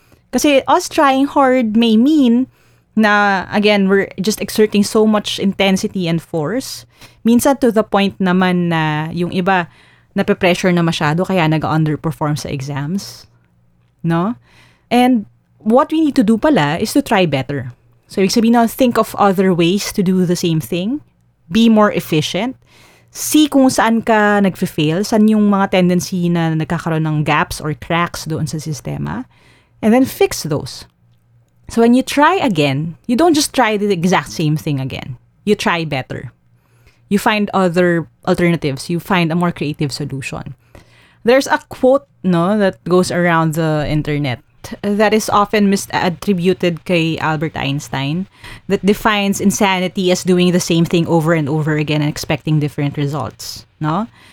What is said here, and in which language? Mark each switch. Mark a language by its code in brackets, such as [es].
[en] Kasi us trying hard may mean na, again, we're just exerting so much intensity and force. [tl] Minsan [en] to the point [tl] naman na yung iba nape-pressure na masyado kaya nag-underperform sa exams. No? [en] And what we need to do pala is to try better. So, [tl] ibig sabihin na, [en] think of other ways to do the same thing. Be more efficient. [tl] See kung saan ka nag-fail, saan yung mga tendency na nagkakaroon ng [en] gaps or cracks [tl] doon sa sistema. [en] And then fix those. So, when you try again, you don't just try the exact same thing again. You try better. You find other alternatives. You find a more creative solution. There's a quote, no, that goes around the internet that is often misattributed kay Albert Einstein that defines insanity as doing the same thing over and over again and expecting different results, no?